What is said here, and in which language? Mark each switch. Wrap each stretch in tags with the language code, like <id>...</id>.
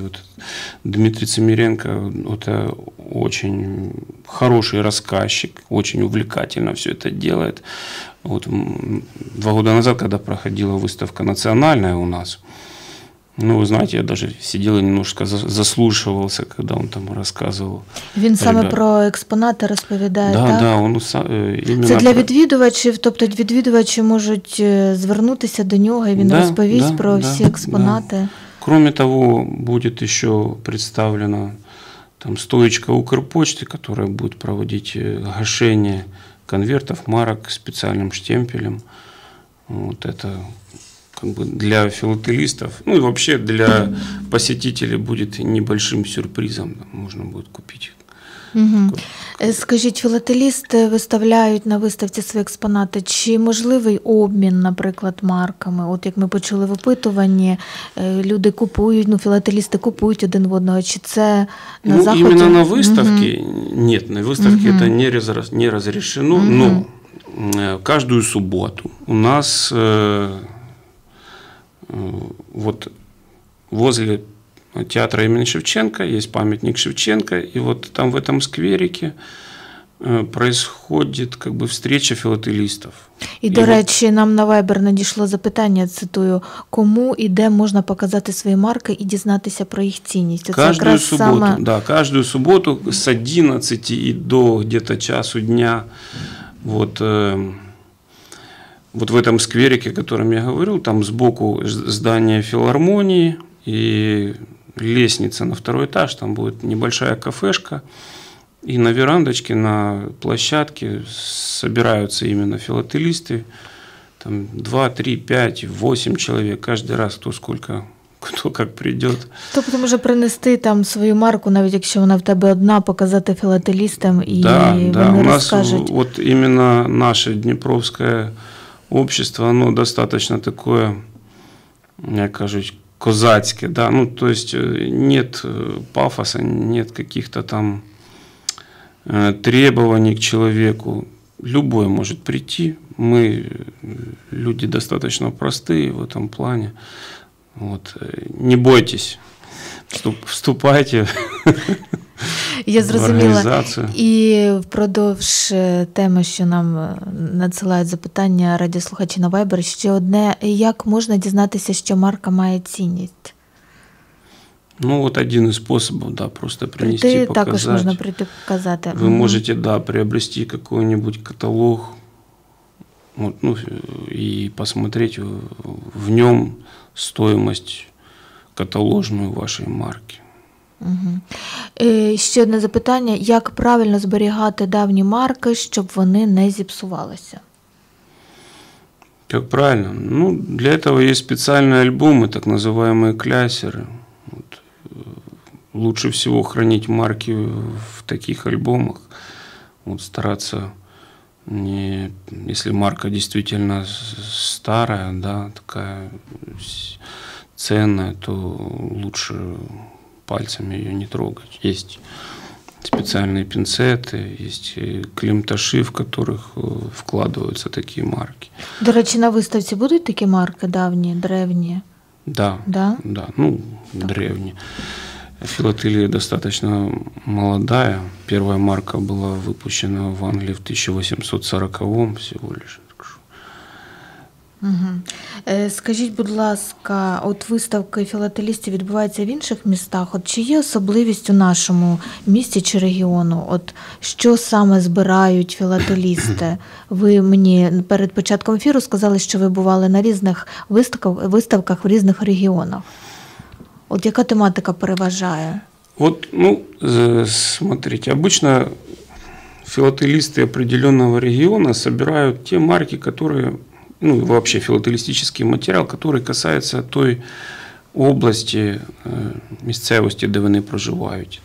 <ru>Вот Дмитрий Цемиренко – это очень хороший рассказчик, очень увлекательно все это делает. Вот 2 года назад, когда проходила выставка национальная у нас, ну, вы знаете, я даже сидел и немножко заслушивался, когда он там рассказывал.</ru> <uk>Він саме про експонати розповідає,</uk> <ru>да,</ru> <uk>так?</uk> <ru>Да, он именно.</ru> <uk>Це для відвідувачів, тобто відвідувачі можуть звернутися до нього, і він розповість про всі експонати.</uk> <ru>Да.</ru> <uk>Кроме того, буде ще представлена там стоечка Укрпочти, яка буде проводити гашення конвертів, марок спеціальним штемпелем.</uk> <ru>Вот это для филателистов, ну и вообще для посетителей будет небольшим сюрпризом, можно будет купить. Угу.</ru> <uk>Скажіть, філателісти виставляють на виставці свої експонати, чи можливий обмін, наприклад, марками? От як ми почули в опитуванні, люди купують, ну філателісти купують один в одного, чи це на заході? Ну, іменно на виставці? Угу. Ні, на виставці це не розрішено, але кожну суботу у нас</uk> <ru>вот возле театра имени Шевченко есть памятник Шевченко, и вот там в этом скверике происходит встреча филателистов.</ru> <uk>И, до речі, нам на Viber надійшло запитання, цитую, кому и де можно показать свои марки и дізнатися про их цінність.</uk> <ru>Каждую суботу, каждую суботу с 11 и до где-то часу дня, вот в этом скверике, о котором я говорил, там сбоку здание филармонии и лестница на второй этаж, там будет небольшая кафешка, и на верандочке, на площадке собираются именно филателисты, там 2, 3, 5, 8 человек, каждый раз кто сколько, кто как придет.</ru> <uk>Тобто може принести там свою марку, навіть якщо вона в тебе одна, показати филателистам, і вони розкажуть.</uk> <ru>Да, у нас от именно наше Дніпровське общество, оно достаточно такое,</ru> <uk>я кажу,</uk> <ru>козацкое, да, ну, то есть нет пафоса, нет каких-то там требований к человеку, любой может прийти, мы люди достаточно простые в этом плане, вот, не бойтесь, вступайте.</ru> <uk>Я зрозуміла. І впродовж теми, що нам надсилають запитання радіослухачі на Viber, ще одне, як можна дізнатися, що марка має цінність? Ну, от один із способів, да, просто принести, показати. Прийти також можна прийти показати.</uk> <ru>Ви можете, да, приобрести какой-нибудь каталог, вот, ну, і посмотреть в ньому стоимость каталожную вашей марки.</ru> <uk>Угу. Ще одне запитання. Як правильно зберігати давні марки, щоб вони не зіпсувалися? Як правильно? Ну, для цього є спеціальні альбоми, так називаємо клясери. От.</uk> <ru>Лучше всего хранить марки в таких альбомах. Вот стараться не, если марка действительно старая, да, такая ценная, то лучше пальцами ее не трогать. Есть специальные пинцеты, есть клим-таши, в которых вкладываются такие марки. До речи, на выставке будут такие марки давние, древние? Да. Да? Да. Ну, так. Древние. Филателия достаточно молодая. Первая марка была выпущена в Англии в 1840-м всего лишь. Угу.</ru> <uk>Скажіть, будь ласка, от виставки філателістів відбуваються в інших містах. От чи є особливість у нашому місті чи регіону? От що саме збирають філателісти? Ви мені перед початком ефіру сказали, що ви бували на різних виставках в різних регіонах.</uk> <ru>Вот какая тематика переважает? Вот, ну, смотрите, обычно филателисты определенного региона собирают те марки, которые, ну, вообще филателистический материал, который касается той области, местности, где они проживают.</ru>